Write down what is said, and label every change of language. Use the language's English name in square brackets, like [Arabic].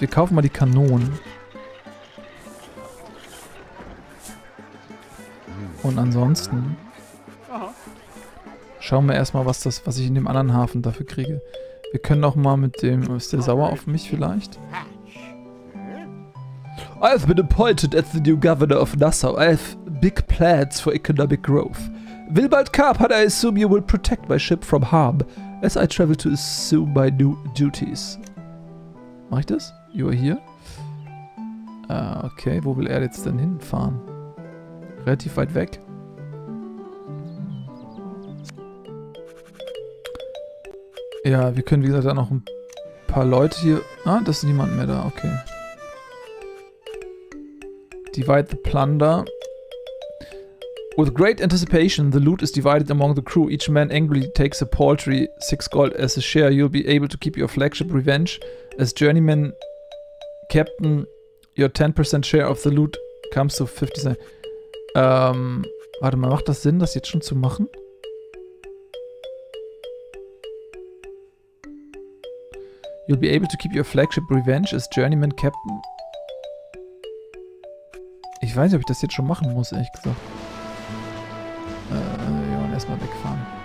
[German] Wir kaufen mal die Kanonen. Und ansonsten schauen wir erstmal, was das, was ich in dem anderen Hafen dafür kriege. Wir können auch mal mit dem, ist der sauer auf mich vielleicht? [English] I have been appointed as the new governor of Nassau. I have big plans for economic growth. Wilbald Carpenter, I assume you will protect my ship from harm as I travel to assume my new duties. [German] Mach ich das? [English] You are here? [German] Okay, wo will er jetzt denn hinfahren? Relativ weit weg. Ja, wir können, wie gesagt, da noch ein paar Leute hier... Ah, da ist niemand mehr da, okay. [English] Divide the plunder. With great anticipation, the loot is divided among the crew. Each man angrily takes a paltry 6 gold as a share. You'll be able to keep your flagship revenge. As journeyman captain, your 10% share of the loot comes to 50 cents. [German] Warte mal, macht das Sinn, das jetzt schon zu machen? [English] You'll be able to keep your flagship revenge as journeyman captain. [German] Ich weiß nicht, ob ich das jetzt schon machen muss, ehrlich gesagt. Wir wollen erstmal wegfahren.